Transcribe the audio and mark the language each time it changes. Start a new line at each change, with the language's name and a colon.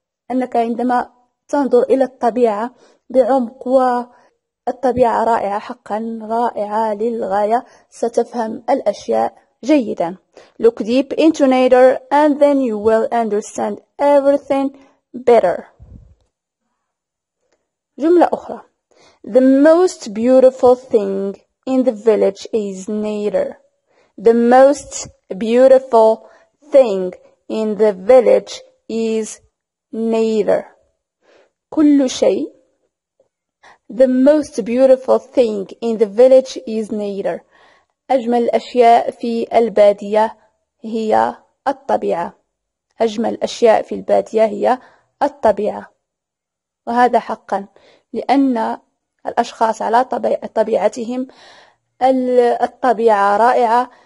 Arabic: أنك عندما تنظر إلى الطبيعة بعمق والطبيعة رائعة حقا رائعة للغاية ستفهم الأشياء جيدا.
English: Look deep into nature and then you will understand everything better.
Arabic: جملة أخرى.
English: The most beautiful thing in the village is nature. The most beautiful thing in the village is nature.
Arabic: كل شيء.
English: The most beautiful thing in the village is nature.
Arabic: أجمل الأشياء في البادية هي الطبيعة. أجمل الأشياء في البادية هي الطبيعة. وهذا حقا، لأن الأشخاص على طبيعتهم الطبيعة رائعة.